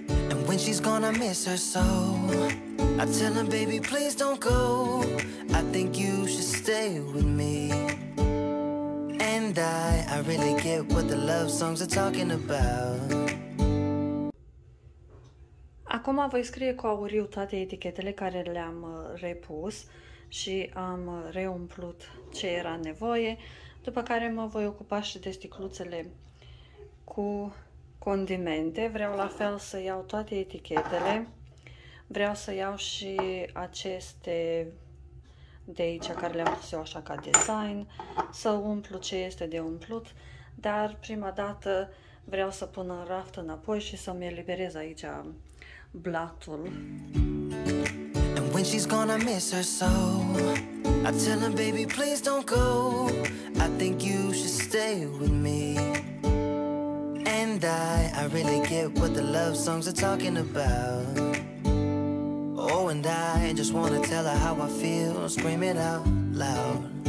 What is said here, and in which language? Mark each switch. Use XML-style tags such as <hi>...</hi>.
<en>And when she's gonna miss her so, I tell her, baby, please don't go. I think you should stay with me. And I really get what the love songs are talking about.</en> <ro>Acum voi scrie cu auriu toate etichetele care le-am repus și am reumplut ce era nevoie, după care mă voi ocupa și de sticluțele cu condimente. Vreau la fel să iau toate etichetele. Vreau să iau și aceste de aici care le-am pus eu așa ca design, să umplu ce este de umplut, dar prima dată vreau să pun în raft înapoi și să-mi eliberez aici blatul.</ro> <en>When she's gonna miss her so, I tell her, baby, please don't go. I think you should stay with me. And I really get what the love songs are talking about. Oh, and I just wanna tell her how I feel, scream it out loud.</en>